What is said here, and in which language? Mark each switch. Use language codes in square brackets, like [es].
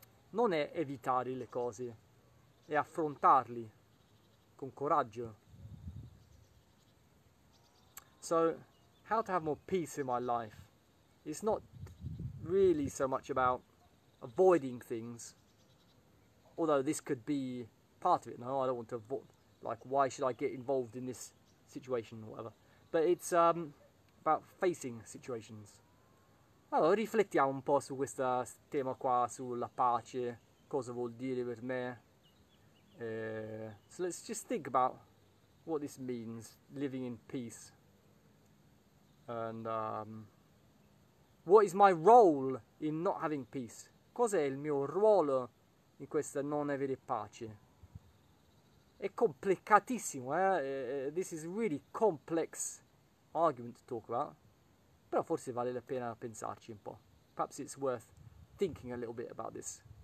[it] Non è evitare le cose, è affrontarli con coraggio. [en] So, how to have more peace in my life? It's not really so much about avoiding things, although this could be part of it. No, I don't want to avoid, like, why should I get involved in this situation or whatever. But it's about facing situations. [it] Allora, riflettiamo un po' su questo tema qua, sulla pace, cosa vuol dire per me. [en] So let's just think about what this means, living in peace. And what is my role in not having peace? [it] Cos'è il mio ruolo in questa non avere pace? È complicatissimo, eh? [en] This is a really complex argument to talk about. [it] Però forse vale la pena pensarci un po'. [en] Perhaps it's worth thinking a little bit about this.